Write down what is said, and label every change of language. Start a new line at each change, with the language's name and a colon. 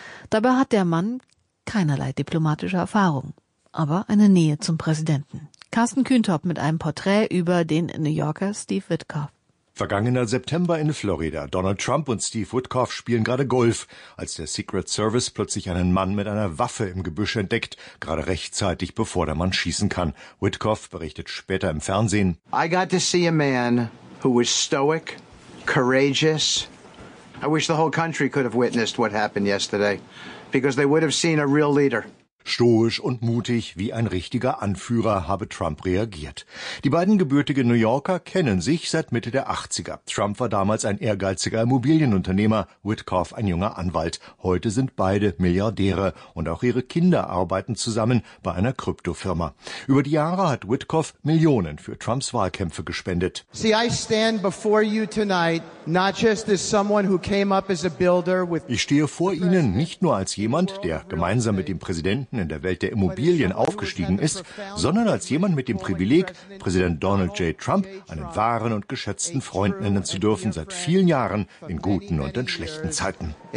German: Dabei hat der Mann keinerlei diplomatische Erfahrung, aber eine Nähe zum Präsidenten. Carsten Kühntop mit einem Porträt über den New Yorker Steve Witkoff. Vergangener September in Florida. Donald Trump und Steve Witkoff spielen gerade Golf, als der Secret Service plötzlich einen Mann mit einer Waffe im Gebüsch entdeckt, gerade rechtzeitig, bevor der Mann schießen kann. Witkoff berichtet später im Fernsehen:
English: I got to see a man who was stoic, courageous. I wish the whole country could have witnessed what happened yesterday, because they would have seen a real leader.
German: Stoisch und mutig wie ein richtiger Anführer habe Trump reagiert. Die beiden gebürtigen New Yorker kennen sich seit Mitte der 80er. Trump war damals ein ehrgeiziger Immobilienunternehmer, Witkoff ein junger Anwalt. Heute sind beide Milliardäre und auch ihre Kinder arbeiten zusammen bei einer Kryptofirma. Über die Jahre hat Witkoff Millionen für Trumps Wahlkämpfe gespendet.
English: See, I stand before you tonight, not just as someone who came up as a builder with.
German: Ich stehe vor Ihnen nicht nur als jemand, der gemeinsam mit dem Präsidenten in der Welt der Immobilien aufgestiegen ist, sondern als jemand mit dem Privileg, Präsident Donald J. Trump einen wahren und geschätzten Freund nennen zu dürfen, seit vielen Jahren in guten und in schlechten Zeiten.